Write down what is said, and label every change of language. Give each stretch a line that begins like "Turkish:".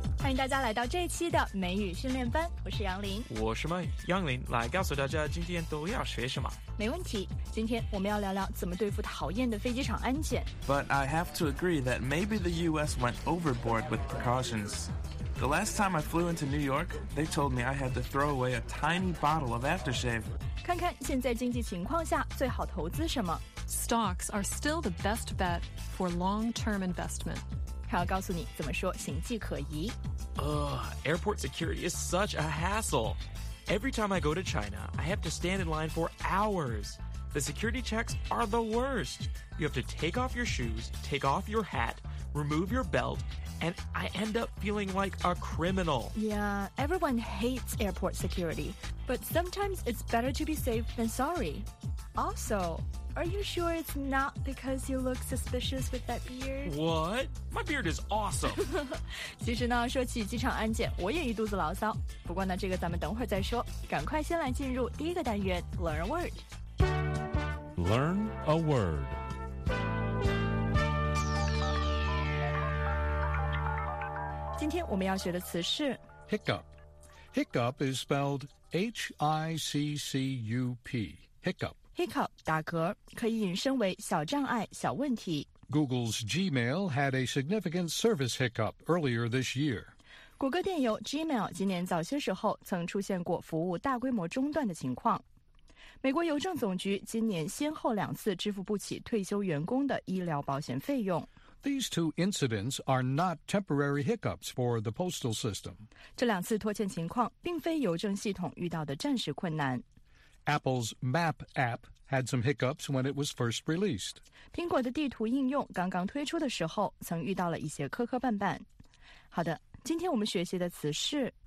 Chinese: 迎大家来到这期的美语训练班，我是杨林。我是麦杨林，来告诉大家今天都要学什么。没问题，今天我们要聊聊怎么对付讨厌的飞机场安检。
English: But I have to agree that maybe the US went overboard with precautions. The last time I flew into New York, they told me I had to throw away a tiny bottle of aftershave.
Chinese: 看看现在经济情况下最好投资什么。
English: Stocks are still the best bet for long-term investment.
Chinese: 还要告诉你怎么说行迹可疑。
English: Airport security is such a hassle. Every time I go to China, I have to stand in line for hours. The security checks are the worst. You have to take off your shoes, take off your hat, remove your belt, and I end up feeling like a criminal. Yeah, everyone hates airport security, but sometimes it's better to be safe than sorry. Also... Are you sure it's not because you look suspicious with that beard? What? My beard is awesome.
Chinese: 其实呢，说起机场安检，我也一肚子牢骚。不过呢，这个咱们等会儿再说。赶快先来进入第一个单元 ， Learn a word.
English: Learn a word.
Chinese: Today, 我们要学的词是
English: hiccup. Hiccup is spelled H-I-C-C-U-P. Hiccup.
Chinese: Hiccup, 打嗝,可以引申为小障碍,小问题。
English: Google's Gmail had a significant service hiccup earlier this year.
Chinese: 谷歌电邮 Gmail 今年早些时候曾出现过服务大规模中断的情况。美国邮政总局今年先后两次支付不起退休员工的医疗保险费用。
English: These two incidents are not temporary hiccups for the postal system.
Chinese: 这两次拖欠情况并非邮政系统遇到的暂时困难。
English: Apple's Map app had some hiccups when it was first released.
Chinese: 苹果的地图应用刚刚推出的时候曾遇到了一些磕磕绊绊。好的，今天我们学习的词是